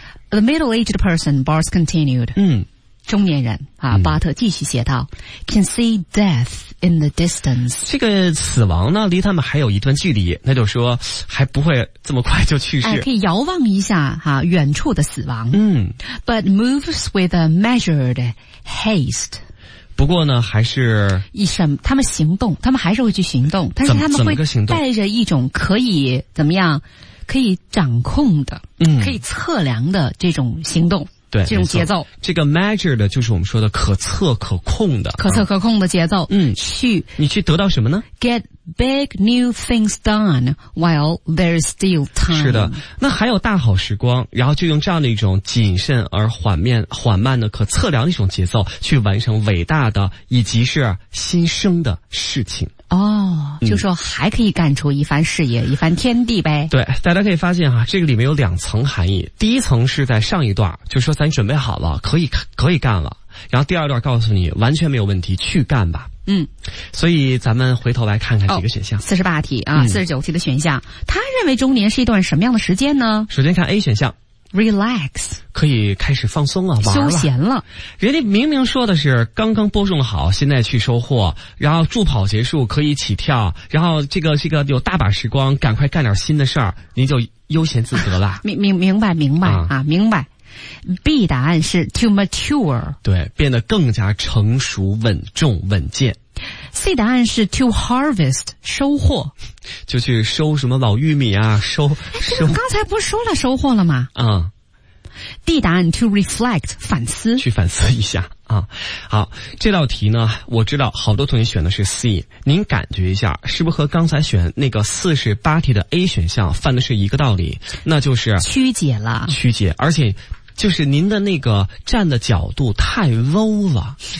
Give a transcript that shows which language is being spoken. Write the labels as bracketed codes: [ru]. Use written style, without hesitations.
[en] The middle-aged person, Barth continued. 嗯， [zh] 中年人啊，巴特继续写道， [en] can see death in the distance. [zh] 这个死亡呢离他们还有一段距离，那就说还不会这么快就去世。哎，可以遥望一下啊，远处的死亡。嗯， [en] but moves with a measured haste. [zh] 不过呢还是以什么，他们行动，他们还是会去行动，但是他们会带着一种可以怎么样，可以掌控的，嗯，可以测量的这种行动，对，这种节奏。这个 measure 的就是我们说的可测可控的，可测可控的节奏。嗯，去，你去得到什么呢？ [en] Get big new things done while there is still time。 [zh] 是的，那还有大好时光，然后就用这样的一种谨慎而缓慢的可测量的一种节奏去完成伟大的以及是新生的事情。哦，就说还可以干出一番事业，一番天地呗。对，大家可以发现啊，这个里面有两层含义。第一层是在上一段，就说咱准备好了，可以干了。然后第二段告诉你，完全没有问题，去干吧。嗯，所以咱们回头来看看几个选项。 48题啊，49题的选项，他认为中年是一段什么样的时间呢？首先看 A 选项。 [en] Relax， [zh] 可以开始放松了，玩了，休闲了。人家明明说的是刚刚播种好，现在去收获，然后助跑结束可以起跳，然后这个有大把时光，赶快干点新的事儿，您就悠闲自得了。明白。 B 答案是 [en] to mature， [zh] 对，变得更加成熟、稳重、稳健。 C 答案是 [en] to harvest， [zh] 收获，就去收什么老玉米啊，收。刚才不是说了收获了吗？啊、 D 答案 [en] to reflect， [zh] 反思，去反思一下啊。好，这道题呢，我知道好多同学选的是 C， 您感觉一下，是不是和刚才选那个48题的 A 选项犯的是一个道理？那就是曲解了，曲解，而且就是您的那个站的角度太 low 了。